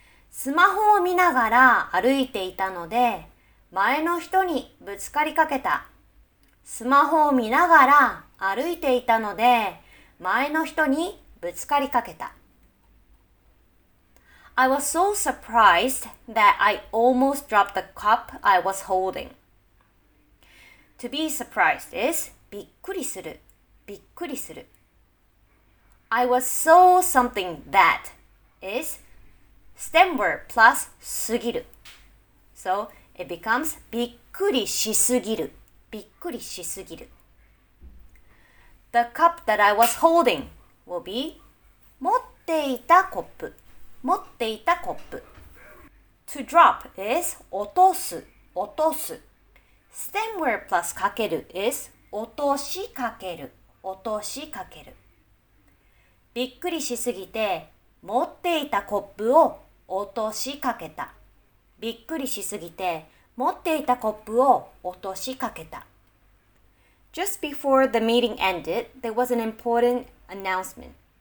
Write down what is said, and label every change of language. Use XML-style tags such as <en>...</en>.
<ja>スマホを見ながら歩いていたので、前の人にぶつかりかけた。スマホを見ながら歩いていたので、前の人にぶつかりかけた。</ja> <en>I was so surprised that I almost dropped the cup I was holding. To be surprised is</en> <ja>びっくりする、びっくりする。</ja> <en>I was so something that is stem word plus すぎる。 So it becomes</en> <ja>びっくりしすぎる、びっくりしすぎる。</ja> <en>The cup that I was holding will be</en> <ja>持っていたコップ、持っていたコップ。</ja> <en>To drop is</en> <ja>落とす、落とす。</ja> <en>Stem word plus かける is</en> <ja>落としかける、落としかける。びっくりしすぎて、持っていたコップを落としかけた。びっくりしすぎて、持っていたコップを落としかけた。</ja> <en>Just before the meeting ended, there was an important announcement.</en>